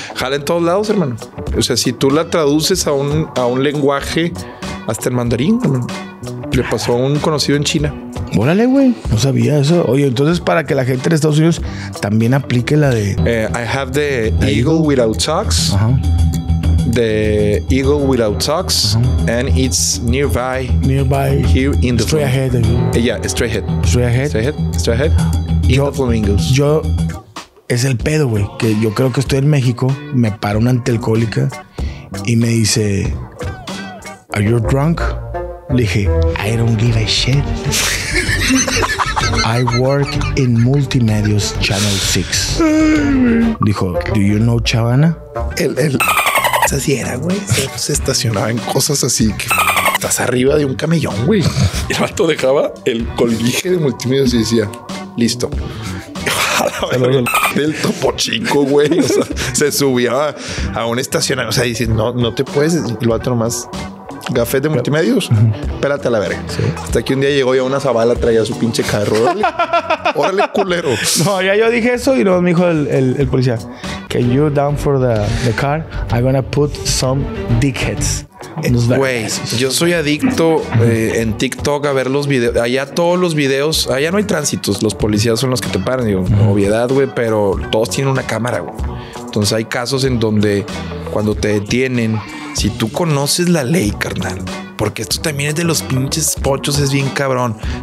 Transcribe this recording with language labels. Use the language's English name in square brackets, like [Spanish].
[Spanish] Jala en todos lados, hermano. O sea, si tú la traduces a un lenguaje, hasta el mandarín, hermano. Le pasó a un conocido en China. Órale, güey. No sabía eso. Oye, entonces para que la gente en Estados Unidos también aplique la de... [English] I have the eagle without socks. The eagle without socks. And it's nearby. Nearby. Here in the... Straight ahead. Straight ahead. Straight ahead. Straight ahead. Straight ahead. In the flamingos. [Spanish] Yo... Es el pedo, güey, que yo creo que estoy en México, me para una antialcohólica y me dice, [English] are you drunk? [Spanish] Le dije, [English] I don't give a shit. I work in Multimedios Channel 6. [Spanish] Dijo, [English] do you know Chavana? [Spanish] El así era, güey. Se estacionaba en cosas así que... Estás arriba de un camellón, güey. El vato dejaba el colguije de Multimedios y decía, listo. Del Topo Chico, güey. O sea, se subía a un estacionamiento. O sea, dice, no te puedes. Y lo hace nomás. Café de multimedios. Espérate a la verga. ¿Sí? Hasta que un día llegó y a una Zavala traía su pinche carro. Órale, órale, culero. No, ya yo dije eso y no, me dijo el policía. [English] Can you down for the car? I'm gonna put some dickheads. [Spanish] Güey, yo soy adicto en TikTok a ver los videos. Allá todos los videos, allá no hay tránsitos. Los policías son los que te paran. Digo, obviedad, güey, pero todos tienen una cámara, güey. Entonces hay casos en donde cuando te detienen, si tú conoces la ley, carnal, porque esto también es de los pinches pochos, es bien cabrón.